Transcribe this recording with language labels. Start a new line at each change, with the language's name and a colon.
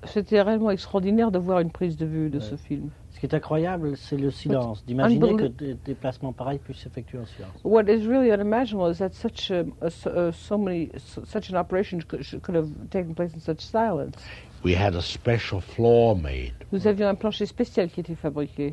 French: C'était réellement extraordinaire de voir une prise de vue de ce film. Ce qui est incroyable, c'est le silence. D'imaginer que des déplacements pareils puissent s'effectuer en silence.
English: What is really unimaginable is that such an operation could have taken place in such silence. We had a special floor made.
French: Nous avions un plancher spécial qui était fabriqué.